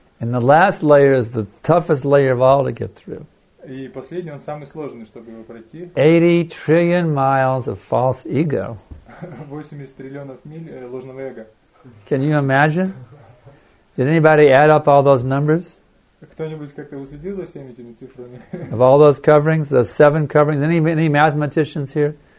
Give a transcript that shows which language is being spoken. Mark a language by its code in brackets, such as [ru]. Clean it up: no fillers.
[en] And the last layer is the toughest layer of all to get through. [ru] И последний, он самый сложный, чтобы его пройти. [en] 80 trillion miles of false ego. [ru] 80 триллионов миль ложного эго. [en] Can you imagine? Did anybody add up all those numbers? [ru] Кто-нибудь как-то уследил за всеми этими цифрами? [en] Of all those coverings, the seven coverings, any mathematicians here?